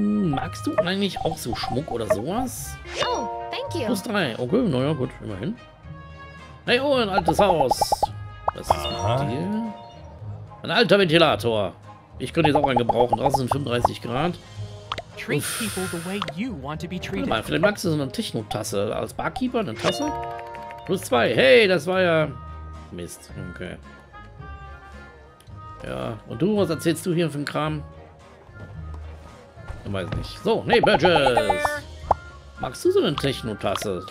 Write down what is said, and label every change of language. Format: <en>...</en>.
<de>Magst du eigentlich auch so Schmuck oder sowas?</de> <en>Oh, thank you.</en> <de>Plus 3. Okay, naja, gut, immerhin. Hey, oh, ein altes Haus. Was ist mit dir? Ein alter Ventilator. Ich könnte jetzt auch einen gebrauchen. Draußen sind 35 Grad.</de> <en>Treat people the way you want to be treated.</en> <de>Warte mal, vielleicht magst du so eine Techno-Tasse. Als Barkeeper eine Tasse? Plus 2. Hey, das war ja... Mist. Okay. Ja, und du, was erzählst du hier für ein Kram? Ich weiß nicht. So, hey, Burgess. Magst du so eine Techno-Tasse?</de>